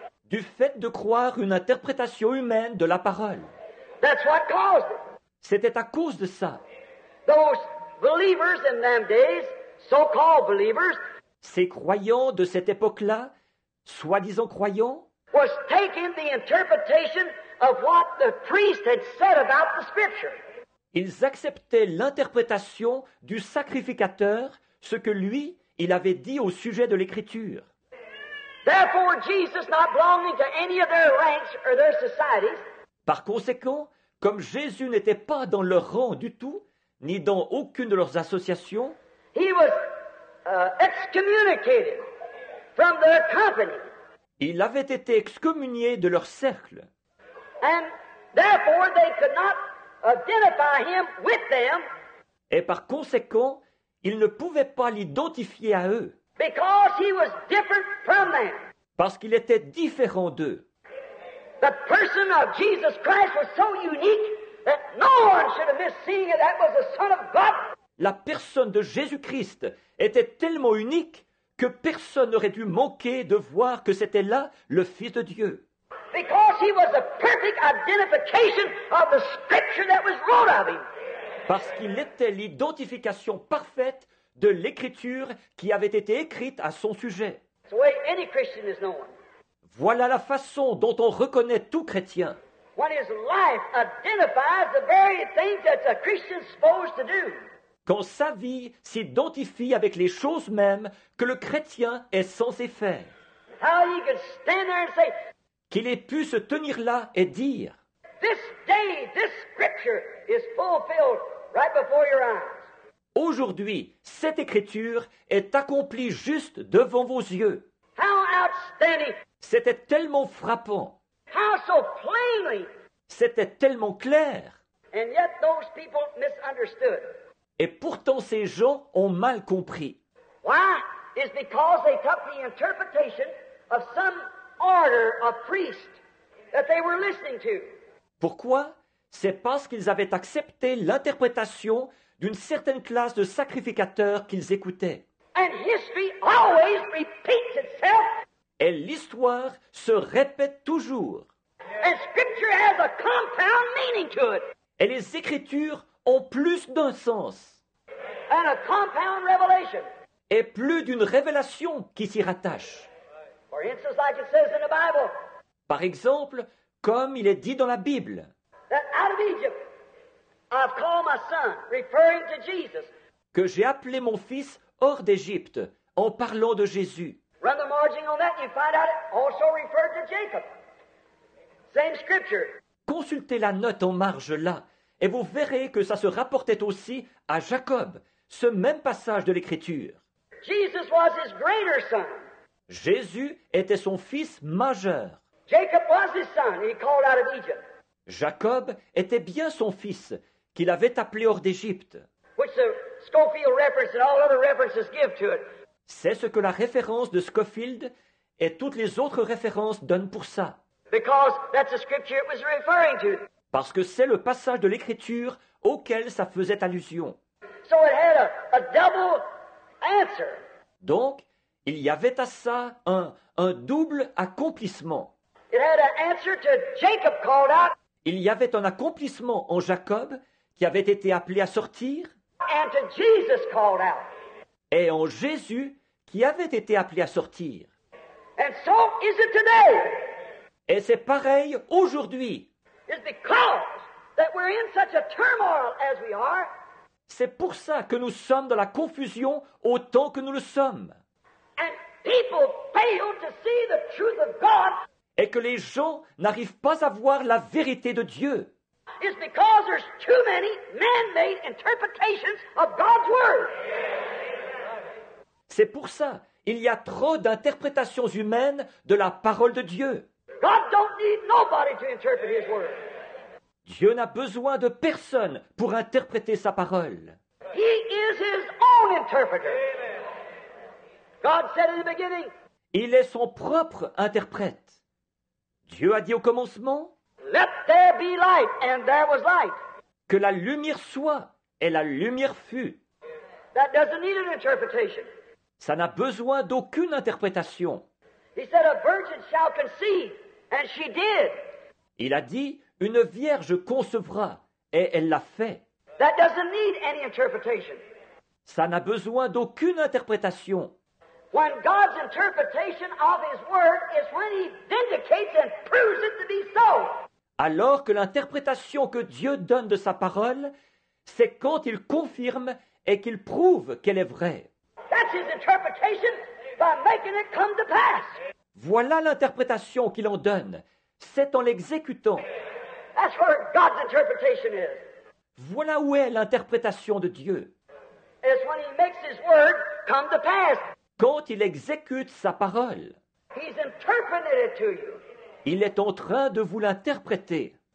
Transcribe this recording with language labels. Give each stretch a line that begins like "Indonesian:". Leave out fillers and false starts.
French: Du fait de croire une interprétation humaine de la parole.
English: That's what caused it.
French: C'était à cause de ça.
English: Those believers in them days, so-called believers,
French: ces croyants de cette époque-là, soi-disant croyants,
English: was taking the interpretation of what the priest had said about the scripture.
French: Ils acceptaient l'interprétation du sacrificateur, ce que lui, il avait dit au sujet de l'écriture.
English: Therefore, Jesus not belonging to any of their ranks or their societies.
French: Par conséquent, comme Jésus n'était pas dans leur rang du tout, ni dans aucune de leurs associations,
English: he was, excommunicated from their company.
French: Il avait été excommunié de leur cercle.
English: And therefore they could not identify him with them.
French: Et par conséquent, ils ne pouvaient pas l'identifier à eux.
English: Because he was different from them.
French: Parce qu'il était différent d'eux.
English: the person of Jesus Christ was so unique that no one should have missed seeing it. That was the Son of God.
French: La personne de Jésus-Christ était tellement unique que personne n'aurait dû manquer de voir que c'était là le Fils de Dieu.
English: Because he was the perfect identification of the scripture that was wrote of him.
French: Parce qu'il était l'identification parfaite de l'écriture qui avait été écrite à son sujet.
English: It's the way any Christian is known.
French: Voilà la façon dont on reconnaît tout chrétien.
English: When his life identifies the very thing that a Christian is supposed to do.
French: Quand sa vie s'identifie avec les choses mêmes que le chrétien est censé faire.
English: How he could stand there and say,
French: qu'il ait pu se tenir là et dire,
English: this day, this scripture is fulfilled right before your eyes.
French: Aujourd'hui, cette écriture est accomplie juste devant vos yeux.
English: How outstanding.
French: C'était tellement frappant.
English: How so plainly.
French: C'était tellement clair.
English: And yet those people misunderstood.
French: Et pourtant, ces gens ont mal compris.
English: Why? It's because they took the interpretation of some order of priest that they were listening to.
French: Pourquoi? C'est parce qu'ils avaient accepté l'interprétation d'une certaine classe de sacrificateurs qu'ils écoutaient.
English: And history always repeats itself.
French: Et l'histoire se répète toujours.
English: And scripture has a compound meaning to it.
French: Et les Écritures ont plus d'un sens.
English: And a compound revelation.
French: Et plus d'une révélation qui s'y rattache.
English: For instance, like it says in the Bible,
French: par exemple, comme il est dit dans la Bible,
English: that out of Egypt, I've called my son, referring to Jesus,
French: que j'ai appelé mon fils hors d'Égypte en parlant de Jésus.
English: Run the margin on that, you find out it also referred to Jacob. Same scripture.
French: Consultez la note en marge là, et vous verrez que ça se rapportait aussi à Jacob, ce même passage de l'Écriture.
English: Jesus was his greater son.
French: Jésus était son fils majeur.
English: Jacob was his son, he called out of Egypt.
French: Jacob était bien son fils, qu'il avait appelé hors d'Égypte.
English: Which the Scofield reference and all other references give to it.
French: C'est ce que la référence de Scofield et toutes les autres références donnent pour ça.
English: Because that's the scripture it was referring to.
French: Parce que c'est le passage de l'Écriture auquel ça faisait allusion.
English: So it had a double answer.
French: Donc, il y avait à ça un double accomplissement.
English: It had an answer to Jacob called out.
French: Il y avait un accomplissement en Jacob qui avait été appelé à sortir.
English: And to Jesus called out.
French: Et en Jésus qui avait été appelé à sortir.
English: And so is it today.
French: Et c'est pareil aujourd'hui.
English: It's because that we're in such a turmoil as we are.
French: C'est pour ça que nous sommes dans la confusion autant que nous le sommes.
English: And people fail to see the truth of God.
French: Et que les gens n'arrivent pas à voir la vérité de Dieu.
English: It's because there's too many man-made interpretations of God's word.
French: C'est pour ça, il y a trop d'interprétations humaines de la parole de Dieu.
English: God don't need nobody to interpret his word.
French: Dieu n'a besoin de personne pour interpréter sa parole.
English: He is his own interpreter. God said in the beginning,
French: il est son propre interprète. Dieu a dit au commencement,
English: let there be light, and there was light.
French: Que la lumière soit, et la lumière fut.
English: That doesn't need an interpretation.
French: Ça n'a besoin d'aucune interprétation.
English: He said, a virgin shall conceive, and she did.
French: Il a dit, une vierge concevra, et elle l'a fait.
English: That doesn't need any interpretation.
French: Ça n'a besoin d'aucune interprétation.
English: When God's interpretation of his word is when he vindicates and proves it to be so.
French: Alors que l'interprétation que Dieu donne de sa parole, c'est quand il confirme et qu'il prouve qu'elle est vraie.
English: That's his interpretation by making it come to pass.
French: Voilà l'interprétation qu'il en donne. C'est en l'exécutant.
English: That's where God's interpretation is.
French: Voilà où est l'interprétation de Dieu.
English: It's when he makes his word come to pass.
French: Quand il exécute sa parole.
English: He's interpreted it to you.
French: Il est en train de vous l'interpréter.